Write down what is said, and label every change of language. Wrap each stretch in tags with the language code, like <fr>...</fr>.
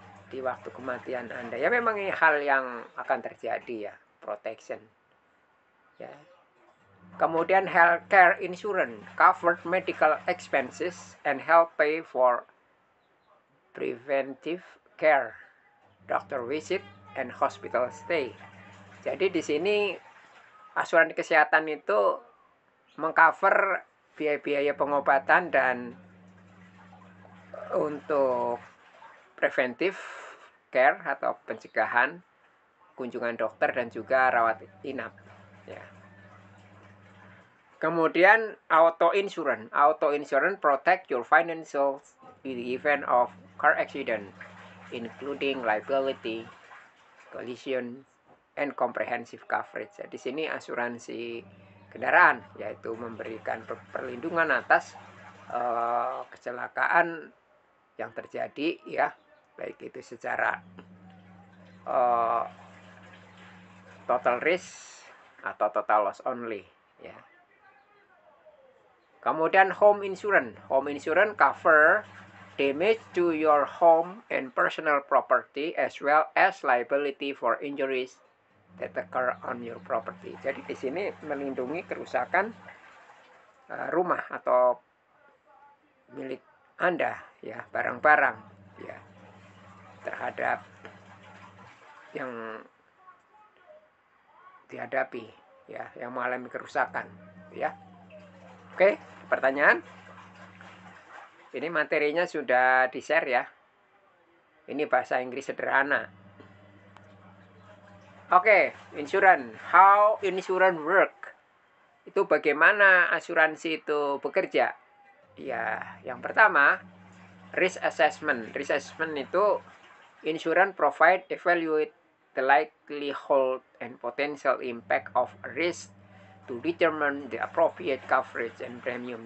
<id>Di waktu kematian Anda, ya, memang ini hal yang akan terjadi, ya, protection. Ya.</id> <en>Kemudian healthcare insurance covered medical expenses and help pay for preventive care, doctor visit, and hospital stay.</en> <id>Jadi di sini asuransi kesehatan itu mengcover biaya-biaya pengobatan dan untuk preventive care atau pencegahan kunjungan dokter dan juga rawat inap. Ya. Kemudian auto insurance.</id> <en>Auto insurance protect your financials in the event of car accident, including liability, collision, and comprehensive coverage.</en> <id>Jadi sini asuransi kendaraan, yaitu memberikan perlindungan atas kecelakaan yang terjadi ya, baik itu secara total risk atau total loss only ya.</id> <en>Kemudian home insurance cover damage to your home and personal property as well as liability for injuries that occur on your property.</en> <id>Jadi di sini melindungi kerusakan rumah atau milik Anda ya, barang-barang ya, terhadap yang dihadapi ya, yang mengalami kerusakan ya. Oke, pertanyaan. Ini materinya sudah di-share ya. Ini bahasa Inggris sederhana.</id> <en>Oke, insurance. How insurance work?</en> <id>Itu bagaimana asuransi itu bekerja? Ya, yang pertama, risk assessment.</id> <en>Risk assessment itu insurance provide evaluate the likelihood and potential impact of risk to determine the appropriate coverage and premium.</en>